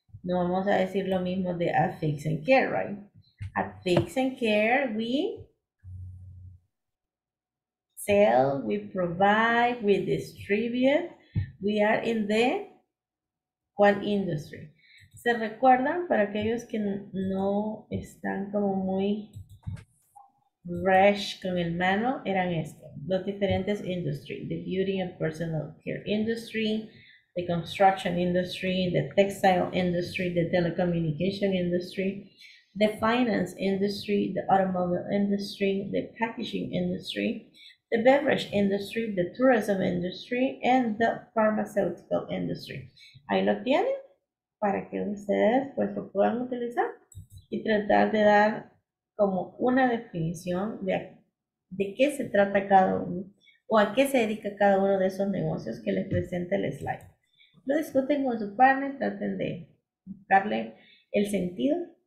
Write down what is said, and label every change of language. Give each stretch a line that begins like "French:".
Spanish: No vamos a decir lo mismo de
English: at Fix and Care, right? At Fix and Care, we sell, we provide, we distribute. We are in the... ¿Cuál industry?
Spanish: ¿Se recuerdan para aquellos que no están como muy fresh con el mano? Eran estos, los diferentes industries.
English: The beauty and personal care industry, the construction industry, the textile industry, the telecommunication industry, the finance industry, the automobile industry, the packaging industry, the beverage industry, the tourism industry, and the pharmaceutical industry.
Spanish: Ahí lo tienen para que ustedes pues lo puedan utilizar y tratar de dar como una definición de qué se trata cada uno o a qué se dedica cada uno de esos negocios que les presenta el slide. Lo discuten con su partner, traten de darle el sentido.